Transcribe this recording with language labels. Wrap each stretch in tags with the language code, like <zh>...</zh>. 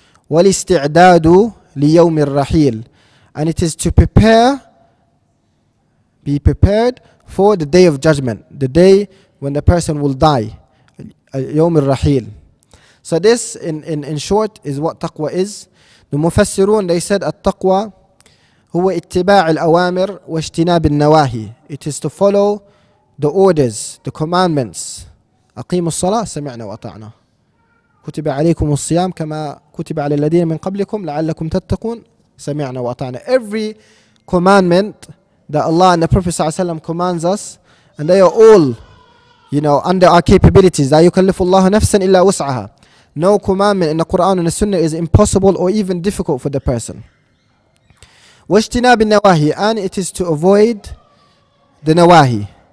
<ar>والاستعداد ليوم الرحيل,</ar> <en>and it is to be prepared for the day of judgment, the day when the person will die,</en> <ar>يوم الرحيل.</ar> <en>So this in short is what taqwa is.</en> <ar>المفسرون,</ar> <en>they said</en> <ar>التقوى هو اتباع الأوامر واجتناب النواهي.</ar> <en>It is to follow the orders, the commandments.</en> <ar>أقيم الصلاة سمعنا وأطعنا. كتب عليكم الصيام كما كتب على الذين من قبلكم لعلكم تتقون سمعنا وأطعنا.</ar> <en>Every commandment that Allah and the Prophet صلى الله عليه وسلم commands us, and they are all, you know, under our capabilities.</en> <ar>لا يكلف الله نفسا إلا وسعها.</ar> <en>No commandment in the Quran and the Sunnah is impossible or even difficult for the person.</en> <ar>وَاجْتِنَابِ النَّوَاهِي,</ar> <en>and it is to avoid the nawahi.</en>